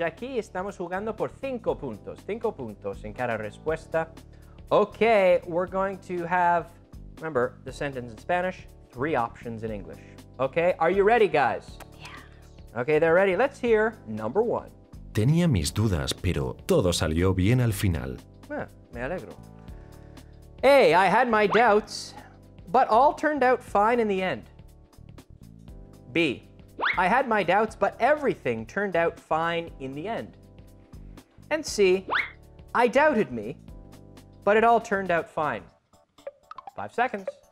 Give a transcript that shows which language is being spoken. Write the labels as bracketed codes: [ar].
[es] Aquí estamos jugando por 5 puntos. 5 puntos en cada respuesta. [en] Okay, we're going to have, remember, the sentence in Spanish, 3 options in English. Okay, are you ready, guys? Yeah. Okay, they're ready. Let's hear number one. [es] Tenía mis dudas, pero todo salió bien al final. Ah, me alegro. [en] A, I had my doubts, but all turned out fine in the end. B, I had my doubts, but everything turned out fine in the end. And C, I doubted me, but it all turned out fine. 5 seconds.